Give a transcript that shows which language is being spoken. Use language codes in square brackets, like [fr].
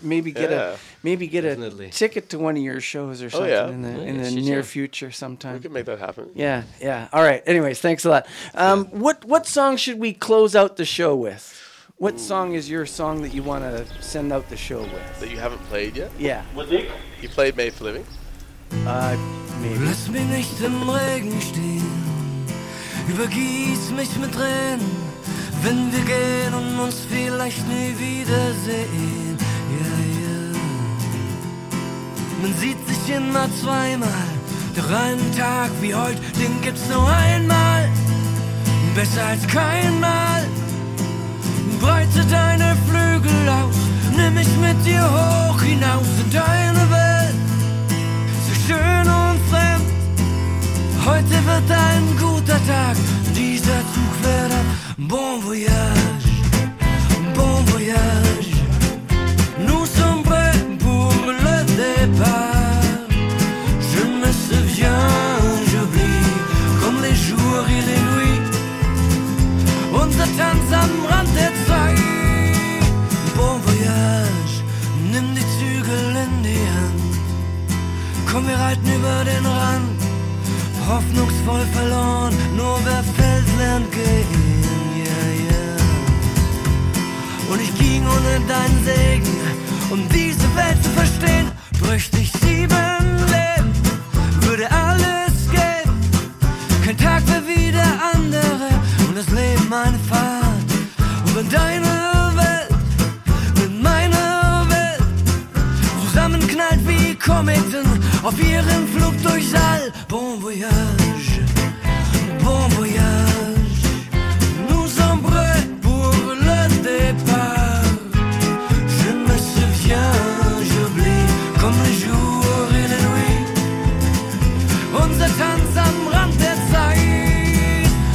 [en] Maybe get a ticket to one of your shows or something in the near future sometime. We could make that happen. Yeah, yeah. All right. Anyways, thanks a lot. What song should we close out the show with? What song is your song that you want to send out the show with? That you haven't played yet? Yeah. Musik? You played Made for Living? Maybe. [de] Lass mich nicht im Regen stehen. Übergieß mich mit Tränen, wenn wir gehen und uns vielleicht nie wiedersehen. Yeah, yeah. Man sieht sich immer zweimal, doch einen Tag wie heute, den gibt's nur einmal. Besser als keinmal. Breite deine Flügel aus, nimm mich mit dir hoch hinaus in deine Welt. So schön und fremd. Heute wird ein guter Tag, dieser Zug fährt ab. [fr] Bon voyage, bon voyage. Nous sommes prêts pour le départ. Je me souviens, j'oublie, comme les jours et les nuits. [de] Unser Tanz am Rand der Zeit. Bon voyage, nimm die Zügel in die Hand. Komm, wir reiten über den Rand. Hoffnungsvoll verloren, nur wer fällt, lernt gehen, yeah, yeah. Und ich ging ohne deinen Segen, um diese Welt zu verstehen. Bräuchte ich sieben Leben, würde alles gehen. Kein Tag wäre wie der andere, und das Leben eine Fahrt. Und in deine Welt, mit meiner Welt, zusammenknallt wie Kometen. Auf ihrem Flug durchs All. [fr] Bon voyage, bon voyage. Nous sommes prêts pour le départ. Je me souviens, j'oublie, comme les jours et les nuits. [de] Unser Tanz am Rand der Zeit.